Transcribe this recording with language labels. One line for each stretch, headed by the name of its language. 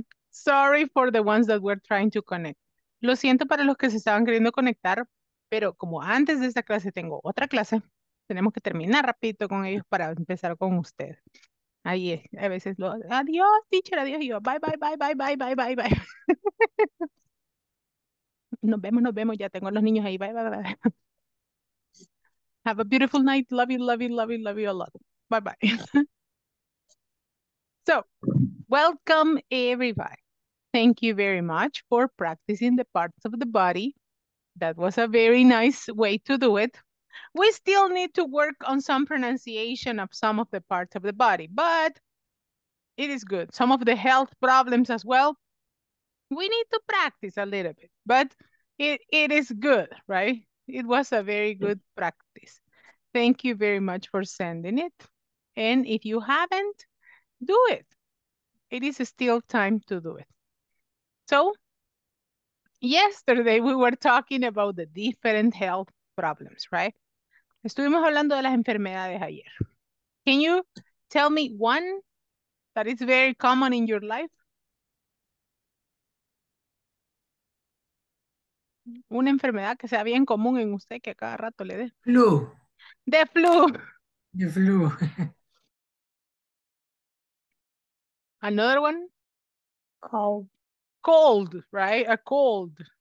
English: Sorry for the ones that were trying to connect.
Spanish: Lo siento para los que se estaban queriendo conectar, pero como antes de esta clase tengo otra clase, tenemos que terminar rapidito con ellos para empezar con ustedes. Ahí es, a veces lo. Adiós, teacher, adiós. Y yo,
English: bye, bye, bye, bye, bye, bye, bye.
Spanish: nos vemos, ya tengo a los niños ahí.
English: Bye, bye, bye. Have a beautiful night. Love you, love you, love you, love you a lot. Bye, bye. So, welcome, everybody. Thank you very much for practicing the parts of the body. That was a very nice way to do it. We still need to work on some pronunciation of some of the parts of the body, but it is good. Some of the health problems as well. We need to practice a little bit, but it is good, right? It was a very good practice. Thank you very much for sending it. And if you haven't, do it. It is still time to do it. So, yesterday we were talking about the different health problems, right?
Spanish: Estuvimos hablando de las enfermedades ayer.
English: Can you tell me one that is very common in your life?
Spanish: Una enfermedad que sea bien común en usted que a cada rato le dé. Flu. De flu. De flu.
English: Another one. Cold. Cold, right? A cold.